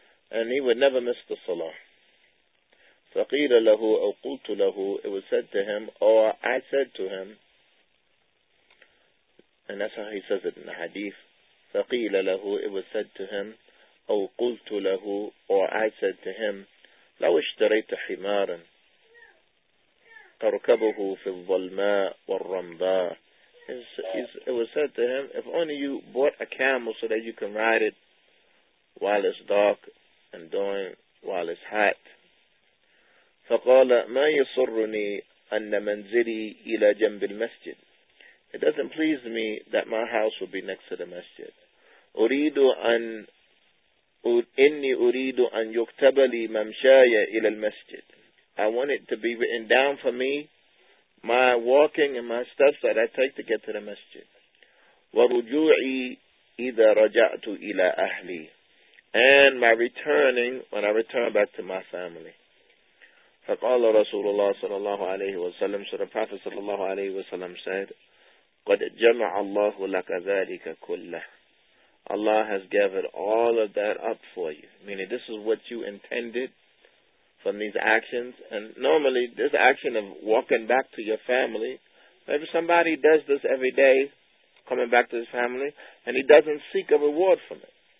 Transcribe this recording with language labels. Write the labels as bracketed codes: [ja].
[en] And he would never miss the salah. [ar] فقيل له أو قلت له, [en] it was said to him, or I said to him, and that's how he says it in the hadith, [ar] فقيل له, [en] it was said to him, [ar] أو قلت له, [en] or I said to him, [ar] لو اشتريت حمارا تركبه في الظلماء والرمضاء. [en] It was said to him, if only you bought a camel so that you can ride it while it's dark and dawn while it's hot. [ar] فقال ما يسرني أن منزلي إلى جنب المسجد. [en] It doesn't please me that my house would be next to the masjid. [ar] أريد أن إني أريد أن يكتب لي ممشاي إلى المسجد. [en] I want it to be written down for me, my walking and my steps that I take to get to the masjid. [ar] ورجوعي إذا رجعت إلى أهلي. [en] And my returning, when I return back to my family. [ar] فقال رسول الله صلى الله عليه وسلم, [en] so the Prophet صلى الله عليه وسلم said, [ar] قد جمع الله لك ذلك كله. [en] Allah has gathered all of that up for you. Meaning, this is what you intended from these actions. And normally, this action of walking back to your family, maybe somebody does this every day, coming back to his family, and he doesn't seek a reward from it.